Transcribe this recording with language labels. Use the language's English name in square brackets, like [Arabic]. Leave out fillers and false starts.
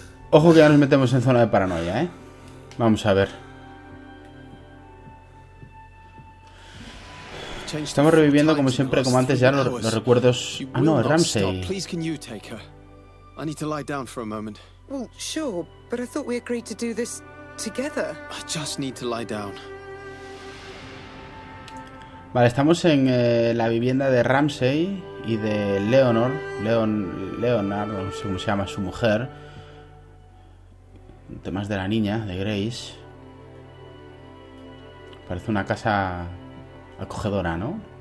[Spanish] Ojo que ya nos metemos en zona de paranoia, ¿eh? Vamos a ver. Estamos reviviendo como siempre, como antes, ya los recuerdos. [English] Ah, no, Ramsey. Please, can you take her? I need to lie down for a moment. Well, sure, but I thought we agreed to do this together. I just need to lie down. [Spanish] Vale, estamos en la vivienda de Ramsey y de Leonor. Leonard, no sé cómo se llama su mujer. Temas de la niña, de Grace. Parece una casa acogedora, ¿no?